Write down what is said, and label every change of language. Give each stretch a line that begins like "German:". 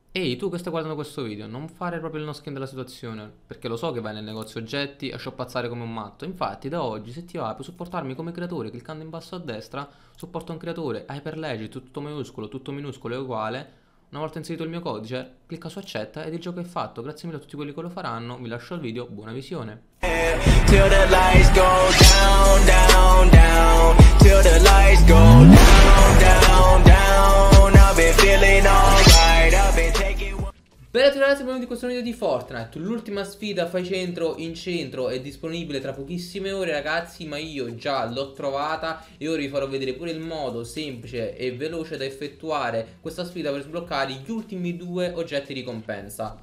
Italian: Ehi, tu che stai guardando questo video, non fare proprio il no skin della situazione, perché lo so che vai nel negozio oggetti a shoppazzare come un matto. Infatti, da oggi, se ti va, puoi supportarmi come creatore, cliccando in basso a destra, supporto un creatore, Hyperledger, tutto maiuscolo, tutto minuscolo è uguale. Una volta inserito il mio codice, clicca su accetta ed il gioco è fatto. Grazie mille a tutti quelli che lo faranno, vi lascio al video, buona visione.
English: Till the lights go down, down, down. Till the lights go down, down, down. I've been feeling alright, I've been taking.
Italian: Bene, ragazzi, benvenuti in questo video di Fortnite. L'ultima sfida fai centro in centro è disponibile tra pochissime ore, ragazzi, ma io già l'ho trovata e ora vi farò vedere pure il modo semplice e veloce da effettuare questa sfida per sbloccare gli ultimi due oggetti di ricompensa.